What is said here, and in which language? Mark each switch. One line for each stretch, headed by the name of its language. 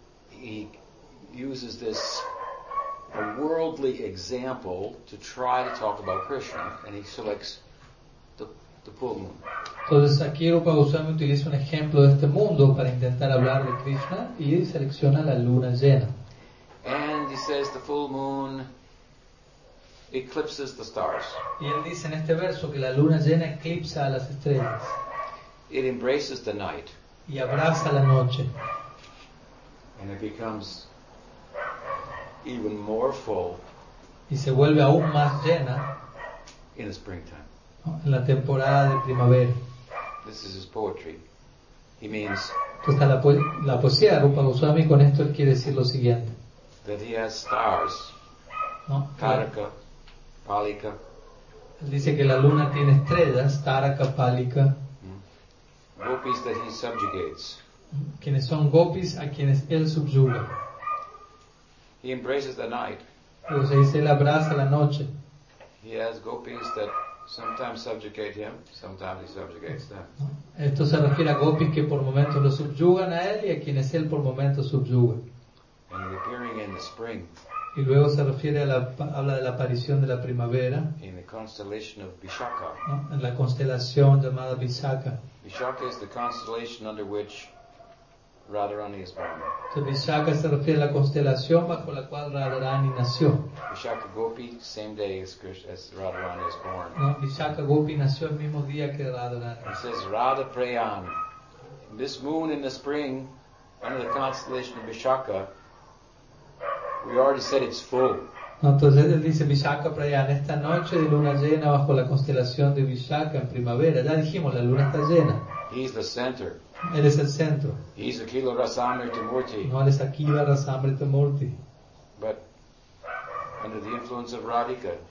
English: He uses this a worldly example to try to talk about Krishna, and he selects the full moon.
Spanish: Entonces aquí Rupa Goswami utiliza un ejemplo de este mundo para intentar hablar de Krishna y selecciona la luna llena.
English: And he says the full moon eclipses the stars.
Spanish: Y él dice en este verso que la luna llena eclipsa a las estrellas.
English: It embraces the night.
Spanish: Y abraza la noche.
English: And it becomes even more full.
Spanish: Y se vuelve aún más llena.
English: In the springtime.
Spanish: ¿No? En la temporada de primavera.
English: This is his poetry. He means.
Spanish: Entonces, la poesía de Rupa Goswami con esto él quiere decir lo siguiente.
English: That he has stars.
Spanish: ¿No? Taraka, Palika. Él dice que la luna tiene estrellas, Taraka, Palika.
English: Gopis that he subjugates.
Spanish: Quienes son gopis a quienes él subyuga.
English: He embraces the night.
Spanish: Entonces él abraza la noche.
English: He has gopis that sometimes subjugate him, sometimes he subjugates them.
Spanish: Esto se refiere a gopis que por momentos lo subyugan a él y a quienes él por momentos subyuga.
English: And appearing in the spring.
Spanish: Y luego se refiere a la habla de la aparición de la primavera.
English: In the constellation of Vishakha.
Spanish: ¿No? En la constelación llamada Vishakha.
English: Vishakha is the constellation under which Radharani is born.
Spanish: So Vishakha se refiere a la constelación bajo la cual Radharani nació.
English: Vishakha Gopi, same day as Radharani is born.
Spanish: No, Vishakha Gopi nació el mismo día que Radharani.
English: It says Radha Prayan. This moon in the spring, under the constellation of Vishakha, we already said it's full.
Spanish: No, entonces él dice Vishakha Prayan, esta noche de luna llena bajo la constelación de Vishakha en primavera. Ya dijimos, la luna está llena.
English: He's the center.
Spanish: Él es el centro.
English: He's Akhila-rasamrita-murti.
Spanish: No, él es Akhila-rasamrita-murti.
English: But under the influence of Radhika.